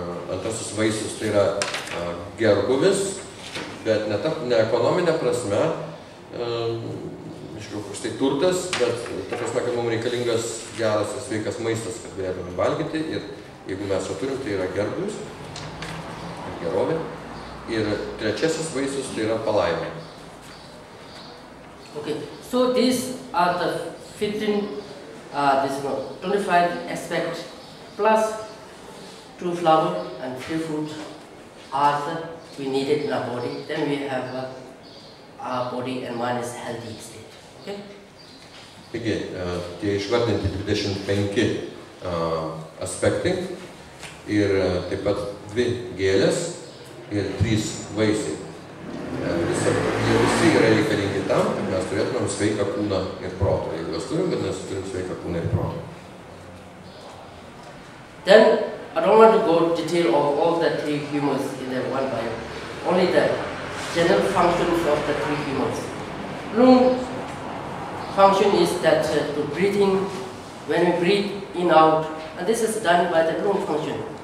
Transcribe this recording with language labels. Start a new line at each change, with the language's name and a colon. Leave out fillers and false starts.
Lithuanian: Antrasis vaisius tai yra gerbuvis, bet ne ekonominė prasme, reiškia, koks tai turtas, bet ta prasme, kad mums reikalingas geras ir sveikas maistas, kad galėtume valgyti. Ir jeigu mes jo turim, tai yra gerbuvis, gerovė. Ir trečiasis vaisius tai yra palaima.
English: Okay, so these are the 15, 25 aspect plus two flower and three fruit are the we needed in our body. Then we have our body and mind is healthy state. Okay?
Lithuanian: Taigi, tie išvardinti 25 aspektai ir taip pat dvi gėlės ir trys vaisiai. Visi yra reikalingi tam, kad mes turėtumėm sveiką kūną ir protą. Jeigu mes turim, kad mes turim sveiką kūną ir protą.
English: Then, I don't want to go into detail of all the three humors in the one bio. Only the general functions of the three humors. Lung function is that to breathing, when we breathe in out, and this is done by the lung function.